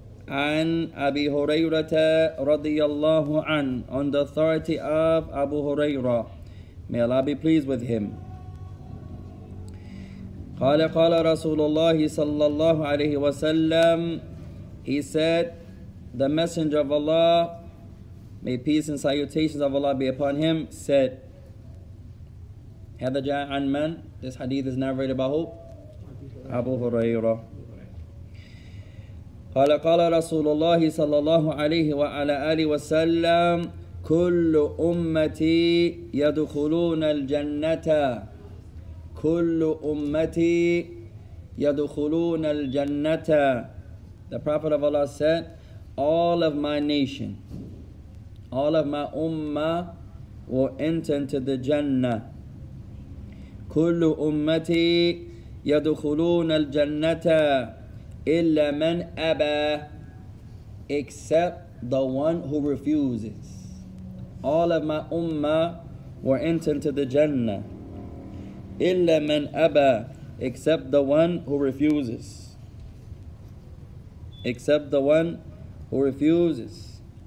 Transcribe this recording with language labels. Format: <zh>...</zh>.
<ar>عن أبي هريرة رضي الله عنه،</ar> <en>on the authority of أبو هريرة، may Allah be pleased with him.</en> <ar>قال رسول الله صلى الله عليه وسلم،</ar> <en>he said, the messenger of Allah, may peace and salutations of Allah be upon him, said.</en> <ar>هذا جاء عن من؟</ar> <en>This hadith is narrated by who?</en> <ar>أبو هريرة. قال رسول الله صلى الله عليه وعلى آله وسلم: كل أمتي يَدْخُلُونَ الْجَنَّةَ</ar> <en>The Prophet of Allah said, all of my nation, all of my ummah will enter into the Jannah.</en> <ar>كُلُّ أُمَّتِي يَدْخُلُونَ الْجَنَّةَ إِلَّا مَنْ أَبَى</ar> <en>Except the one who refuses. All of my ummah will enter into the Jannah.</en> <ar>إِلَّا مَنْ أَبَى</ar> <en>Except the one who refuses. Except the one who refuses.</en>